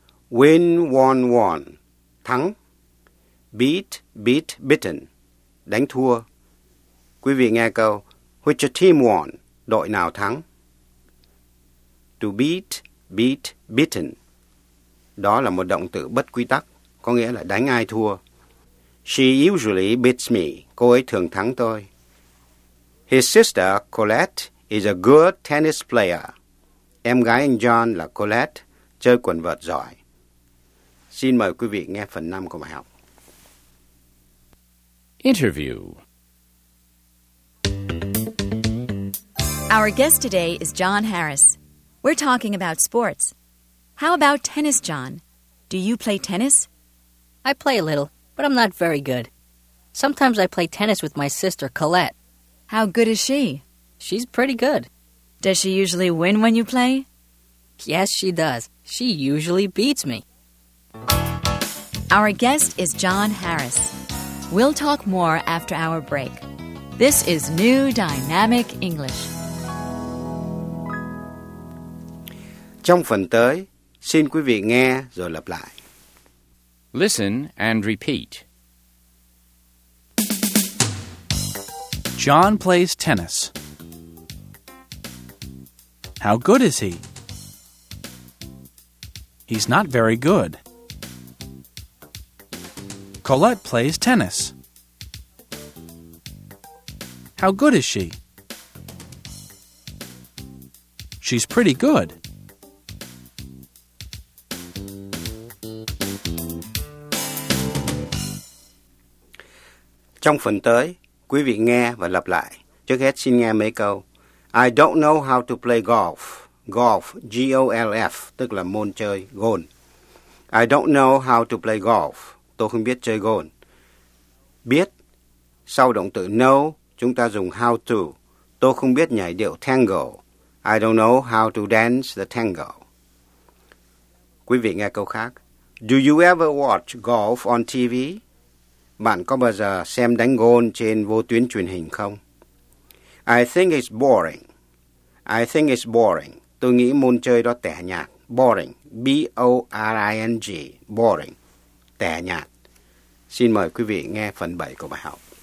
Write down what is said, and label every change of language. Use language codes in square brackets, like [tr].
[en] Win, won, won, thắng. Beat, beat, beaten, [vi] đánh thua. Quý vị nghe câu, [en] which team won, [vi] đội nào thắng. [en] To beat, beat, beaten. [vi] Đó là một động từ bất quy tắc, có nghĩa là đánh ai thua. [en] She usually beats me. [vi] Cô ấy thường thắng tôi. [en] His sister, Colette, is a good tennis player. [vi] Em gái anh John là Colette, chơi quần vợt giỏi. Xin mời quý vị nghe phần 5 của bài học. [en] Interview. Our guest today is John Harris. We're talking about sports. How about tennis, John? Do you play tennis? I play a little, but I'm not very good. Sometimes I play tennis with my sister, Colette. How good is she? She's pretty good. Does she usually win when you play? Yes, she does. She usually beats me. Our guest is John Harris. We'll talk more after our break. This is New Dynamic English. [vi] Trong phần tới, xin quý vị nghe rồi lặp lại. [en] Listen and repeat. John plays tennis. How good is he? He's not very good. Colette plays tennis. How good is she? She's pretty good. [vi] Trong phần tới, quý vị nghe và lặp lại. Trước hết xin nghe mấy câu. [en] I don't know how to play golf. [vi] Golf, G-O-L-F, tức là môn chơi, golf. [en] I don't know how to play golf. [vi] Tôi không biết chơi golf. Biết, sau động từ know, chúng ta dùng how to. Tôi không biết nhảy điệu tango. [en] I don't know how to dance the tango. [vi] Quý vị nghe câu khác. [en] Do you ever watch golf on TV? [vi] Bạn có bao giờ xem đánh gôn trên vô tuyến truyền hình không? [en] I think it's boring. I think it's boring. [vi] Tôi nghĩ môn chơi đó tẻ nhạt. [en] Boring. B-O-R-I-N-G. Boring. [vi] Tẻ nhạt. Xin mời quý vị nghe phần 7 của bài học.